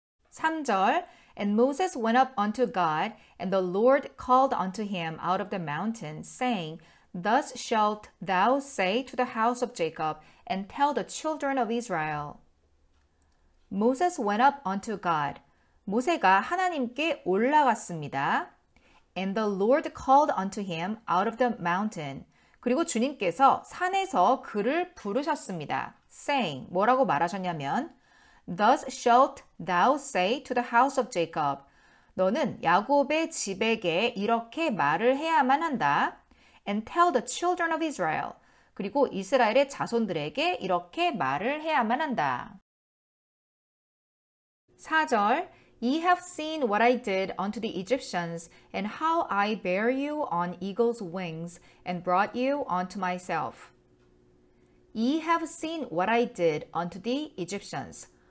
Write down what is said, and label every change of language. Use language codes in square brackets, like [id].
[en] 3절 And Moses went up unto God, and the Lord called unto him out of the mountain, saying, Thus shalt thou say to the house of Jacob, and tell the children of Israel. Moses went up unto God. [ko] 모세가 하나님께 올라갔습니다. [en] And the Lord called unto him out of the mountain. [ko] 그리고 주님께서 산에서 그를 부르셨습니다. [en] saying, [ko] 뭐라고 말하셨냐면, [en] Thus shalt thou say to the house of Jacob. [ko] 너는 야곱의 집에게 이렇게 말을 해야만 한다. [en] And tell the children of Israel. [ko] 그리고 이스라엘의 자손들에게 이렇게 말을 해야만 한다. [en] 4절 Ye have seen what I did unto the Egyptians, and how I bare you on eagle's wings, and brought you unto myself. Ye have seen what I did unto the Egyptians.